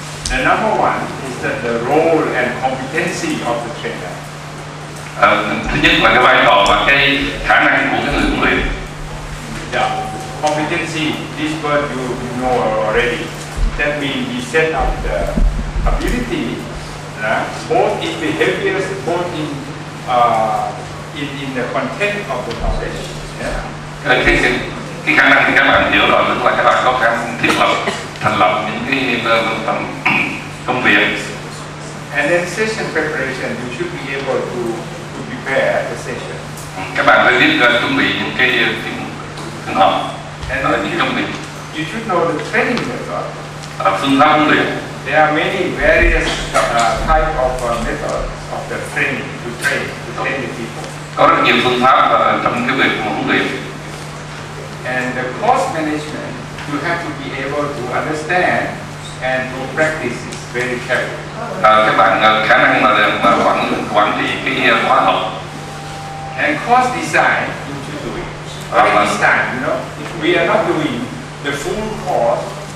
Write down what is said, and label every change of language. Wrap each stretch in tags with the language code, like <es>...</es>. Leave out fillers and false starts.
<en>The number one is that the role and competency of the trainer.</en> <vi>Thứ nhất là cái vai trò và cái khả năng của cái người huấn luyện.</vi> <en>Yeah, competency. This word you know already. That means we set up the ability. Both in behavior, both in the content of the knowledge. Yeah.</en> <vi>Cái khả năng thì các bạn hiểu rồi, tức là các bạn có khả năng thành lập những cái công việc.</vi> <en>And then session preparation, you should be able to prepare the session.</en> <vi>Các bạn phải biết chuẩn bị những cái phương pháp, and là những công việc.</vi> <en>You should know the training method.</en> <vi>Phương pháp huấn luyện.</vi> <en>There are many various type of methods of the training to train the people.</en> <vi>Có rất nhiều phương pháp trong cái việc huấn luyện.</vi> <en>And the course management, you have to be able to understand and to practice it very carefully.</en> <vi>Các bạn khả năng mà quản trị cái khóa học.</vi> <en>And course design, you need to do it. Each time, you know, if we are not doing the full course.</en>